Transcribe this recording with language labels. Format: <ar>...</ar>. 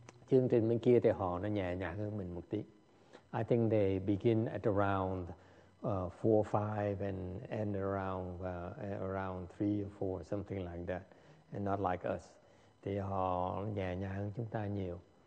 <vi>Chương trình bên kia thì họ nó nhẹ nhàng hơn mình một tí.</vi> <en>I think they begin at around 4 or 5 and end around 3 or 4, something like that. And not like us.</en> <vi>Thì họ nhẹ nhàng hơn chúng ta nhiều.</vi>